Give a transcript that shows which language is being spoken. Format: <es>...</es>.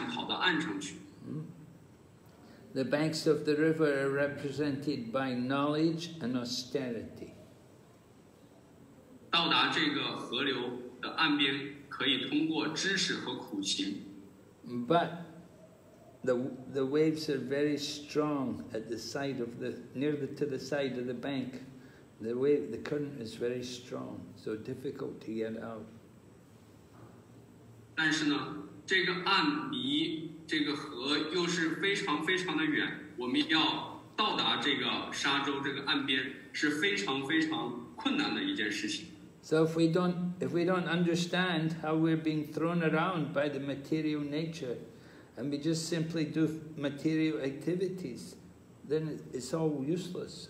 <zh>我们也许会被这个玛雅之河所淹没，但是我们也会挣扎着从这个河流中跑出来，想跑到岸上去。</zh> <en>The banks of the river are represented by knowledge and austerity.</en> <zh>到达这个河流的岸边，可以通过知识和苦行。</zh> <en>But the waves are very strong at the side of the near the to the side of the bank. The way the current is very strong, so difficult to get out.</en> <zh>但是呢，这个岸离这个河又是非常非常的远，我们要到达这个沙洲这个岸边是非常非常困难的一件事情。</zh> <en>So if we don't understand how we're being thrown around by the material nature, and we just simply do material activities, then it's all useless.</en>